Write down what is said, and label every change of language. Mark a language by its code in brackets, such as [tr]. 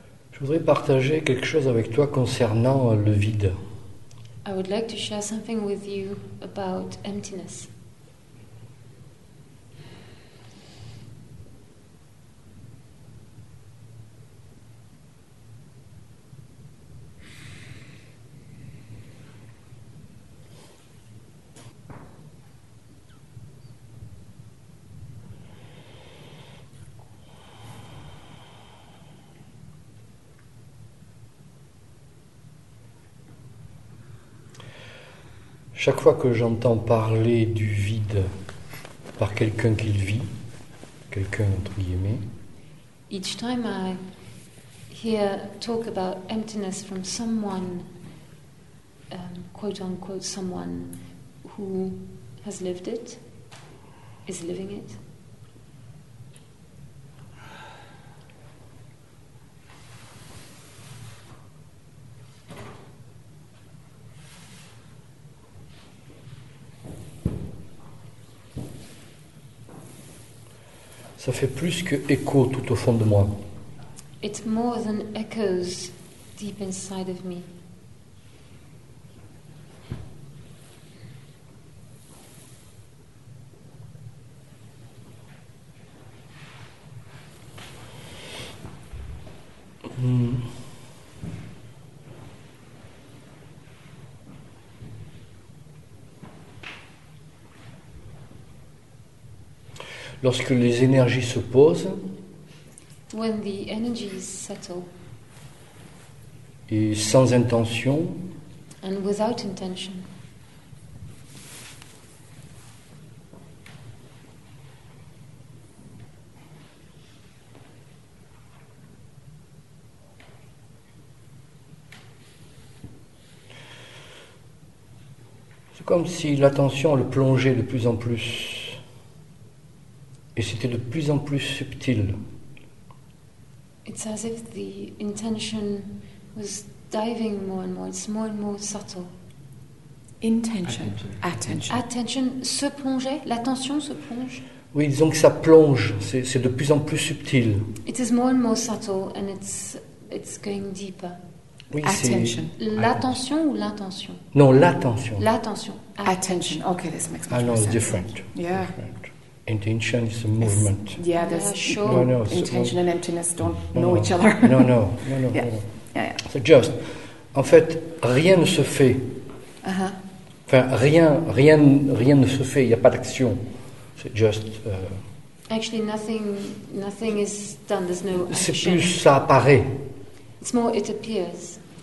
[fr] Je voudrais partager quelque chose avec toi concernant le vide. [en] I would like to share something with you about emptiness. [fr] Chaque fois que j'entends parler du vide par quelqu'un qui le vit, quelqu'un entre guillemets. [en] Each time I hear talk about emptiness from someone, quote unquote someone who has lived it, is living it. [fr] Ça fait plus que écho tout au fond de moi. [en] It's more than echoes deep inside of me. [fr] Lorsque les énergies se posent, [en] when the energies settle, [fr] et sans intention, [en] and without intention, [fr] c'est comme si l'attention le plongeait de plus en plus. Et c'était de plus en plus subtil. [en] It's as if the intention was diving more and more. It's more and more subtle. [fr] Intention. Attention. Attention se plongeait. L'attention se plonge. Oui, disons que ça plonge. C'est de plus en plus subtil. [en] It is more and more subtle and it's going deeper. [fr] Oui, attention. L'attention ou l'intention? Non, l'attention. L'attention. [en] Attention. Okay, this makes more sense. [fr] Ah non, [en] it's different. Yeah. Different. Intention is a movement. Yeah, there's sure. No, no, intention and emptiness don't know each other. No. Yeah. So just, [fr] en fait, rien ne se fait. Uh-huh. Enfin, rien ne se fait. Il n'y a pas d'action. C'est just. [en] Actually, nothing is done. There's no action. [fr] C'est plus ça apparaît. [en] It's more it appears.